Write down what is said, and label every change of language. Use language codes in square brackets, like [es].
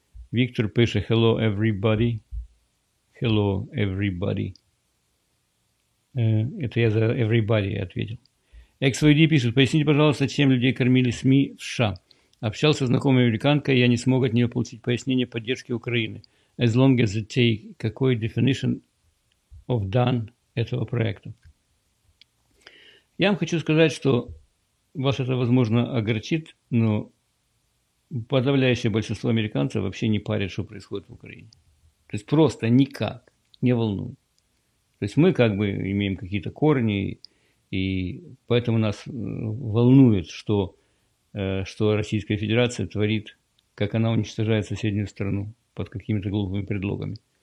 [ru] Виктор пишет: [en] hello, everybody. Hello, everybody. [ru] Это я за [en] everybody [ru] ответил. XVD пишет: поясните, пожалуйста, чем людей кормили СМИ в США? Общался с знакомой американкой, и я не смог от нее получить пояснение поддержки Украины. [en] As long as it take, [ru] какой [en] definition of done [ru] этого проекта? Я вам хочу сказать, что вас это, возможно, огорчит, но подавляющее большинство американцев вообще не парит, что происходит в Украине. То есть просто никак не волнует. То есть мы как бы имеем какие-то корни, и поэтому нас волнует, что Российская Федерация творит, как она уничтожает соседнюю страну под какими-то глупыми предлогами.